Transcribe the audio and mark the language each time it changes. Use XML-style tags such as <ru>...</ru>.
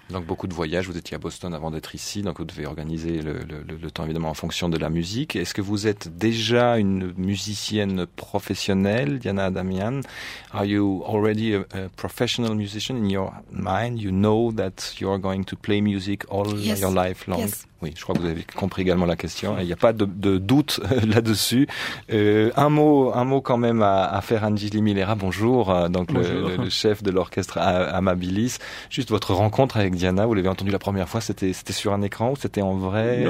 <fr>Donc beaucoup de voyages, vous étiez à Boston avant d'être ici, donc vous devez organiser le temps évidemment en fonction de la musique. Est-ce que vous êtes déjà une musicienne professionnelle, Diana Adamian?</fr> <en>Are you already a professional musician in your mind? You know that you are going to play music all your life long? Yes.</en> <fr>Oui, je crois que vous avez compris également la question. Il n'y a pas de doute là-dessus. Un mot quand même à faire Angeli Milera. Bonjour. Donc bonjour. Le chef de l'orchestre Amabilis. Juste votre rencontre avec Diana, vous l'avez entendu la première fois, c'était sur un écran ou c'était en vrai?</fr>